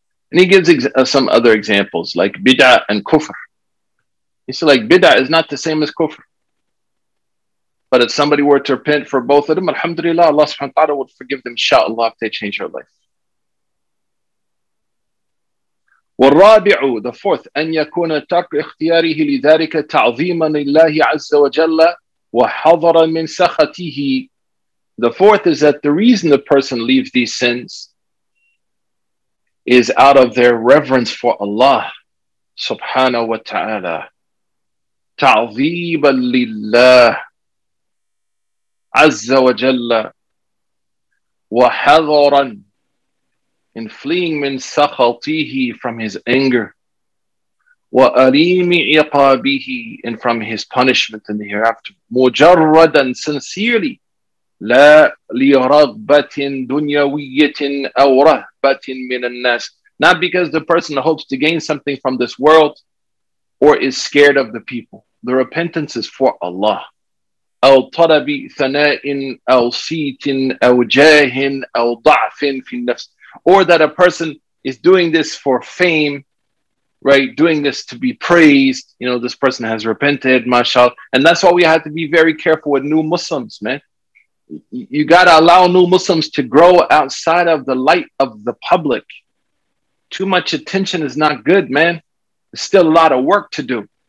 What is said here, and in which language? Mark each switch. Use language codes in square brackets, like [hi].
[en] And he gives some other examples, like bid'ah and kufr. He said, like, bid'ah is not the same as kufr. But if somebody were to repent for both of them, alhamdulillah, Allah subhanahu wa ta'ala would forgive them, inshallah, if they change their life. [ar] والرابع [en] the fourth [ar] أن يكون ترك اختياره لذلك تعظيما لله عز وجل وحظرا من سخطه. [en] The fourth is that the reason the person leaves these sins is out of their reverence for Allah subhanahu wa ta'ala. [ar] تعظيما لله عز وجل وحظرا [en] in fleeing [ar] min sakhatihi [en] from his anger, [ar] wa alimi iqabihi [en] and from his punishment in the hereafter, [ar] mujarradan [en] sincerely, [ar] la li raghbatin dunyawiyyatin aw rahbatin min an-nas, [en] not because the person hopes to gain something from this world or is scared of the people. The repentance is for Allah. [ar] أو طلب ثناء أو صيت أو جاه أو ضعف في النفس, [en] or that a person is doing this for fame, right? Doing this to be praised. You know, this person has repented, mashallah. And that's why we have to be very careful with new Muslims, man. You got to allow new Muslims to grow outside of the light of the public. Too much attention is not good, man. There's still a lot of work to do.